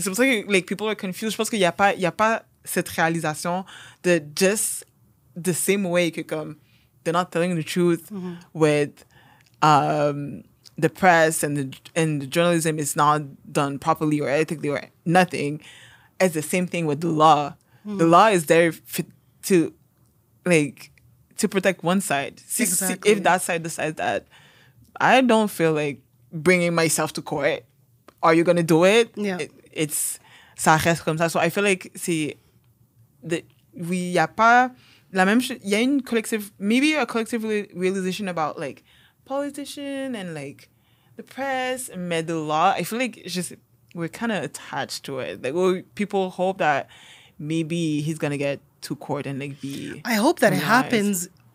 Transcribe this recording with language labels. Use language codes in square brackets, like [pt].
[fr] C'est pour ça que [en] like people are confused. [fr] Je pense qu'il y a pas cette réalisation de [en] just the same way [fr] que comme [en] they're not telling the truth with the press and the journalism is not done properly or ethically or nothing. It's the same thing with the law. The law is there to protect one side. Exactly. If that side decides that, I don't feel like bringing myself to court. Are you going to do it? Yeah. [fr] It's, ça reste comme ça. [en] So I feel like, [fr] il n'y a pas la même chose. Il y a une [en] collective, maybe a collective realization about like politician and like the press, [fr] mais [en] the law. I feel like we're kind of attached to it. Like, people hope that maybe he's going to get to court and like be. I hope that it happens.